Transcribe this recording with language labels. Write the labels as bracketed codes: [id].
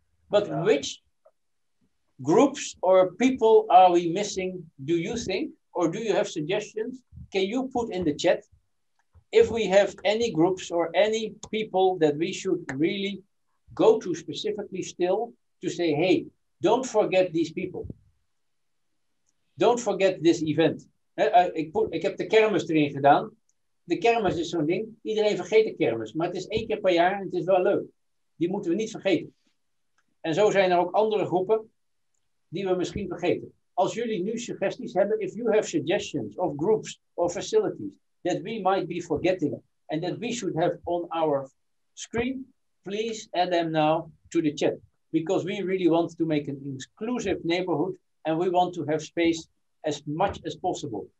[en] But which groups or people are we missing, do you think, or do you have suggestions? Can you put in the chat if we have any groups or any people that we should really go to specifically still to say, hey, don't forget these people. Don't forget this event. [nl] Ik heb de kermis erin gedaan. De kermis is zo'n ding. Iedereen vergeet de kermis, maar het is één keer per jaar en het is wel leuk. Die moeten we niet vergeten. En zo zijn er ook andere groepen die we misschien vergeten. Als jullie nu suggesties hebben, [en] if you have suggestions of groups or facilities that we might be forgetting and that we should have on our screen, please add them now to the chat. Because we really want to make an inclusive neighborhood and we want to have space as much as possible.